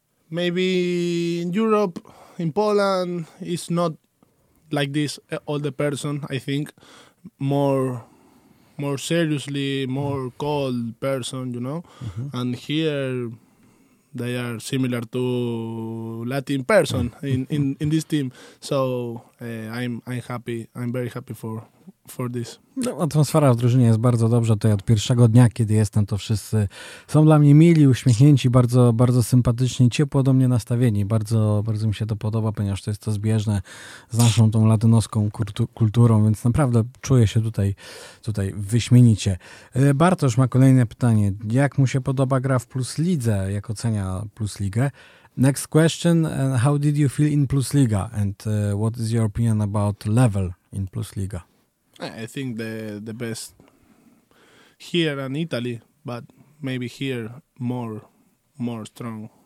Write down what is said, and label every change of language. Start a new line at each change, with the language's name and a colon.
English: Maybe in Europe, in Poland, it's not like this all the person, I think. More seriously, more cold person, you know. Mm-hmm. And here they are similar to Latin person in this team. So I'm happy. I'm very happy for this.
Polish: No, atmosfera w drużynie jest bardzo dobrze. Tutaj od pierwszego dnia, kiedy jestem, to wszyscy są dla mnie mili, uśmiechnięci, bardzo, bardzo sympatyczni, ciepło do mnie nastawieni. Bardzo, bardzo mi się to podoba, ponieważ to jest to zbieżne z naszą tą latynoską kulturą, więc naprawdę czuję się tutaj wyśmienicie. Bartosz ma kolejne pytanie. Jak mu się podoba gra w Plus Lidze? Jak ocenia Plus Ligę?
English: Next question. How did you feel in Plus Liga? And what is your opinion about level in Plus Liga? I think the best here in Italy, but maybe here more strong.